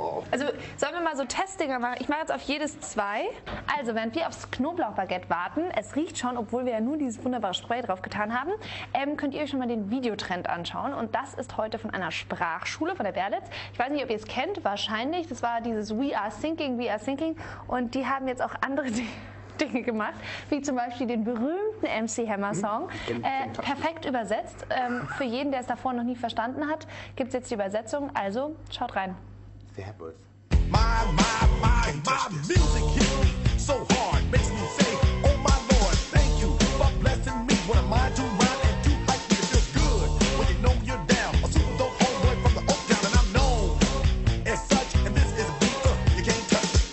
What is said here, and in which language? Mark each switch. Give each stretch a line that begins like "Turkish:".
German: Also sollen wir mal so Testdinger machen? Ich mache jetzt auf jedes 2. Also während wir aufs Knoblauchbaguette warten, es riecht schon, obwohl wir ja nur dieses wunderbare Spray drauf getan haben, könnt ihr euch schon mal den Videotrend anschauen. Und das ist heute von einer Sprachschule, von der Berlitz. Ich weiß nicht, ob ihr es kennt, wahrscheinlich. Das war dieses
English: We are thinking, we are thinking.
German: Und die haben jetzt auch andere Dinge gemacht, wie zum Beispiel den berühmten MC Hammer Song, perfekt übersetzt. Für jeden, der es davor noch nie verstanden hat, gibt es jetzt die Übersetzung. Also schaut rein. Servus.
English: My music hit me so hard, makes me say, oh my Lord, thank you for blessing me. What am I to run and do like me? It feels good when you know you're down. A super dope homeboy from the Oak Town, and I'm known as such, and this is a beat, you can't touch.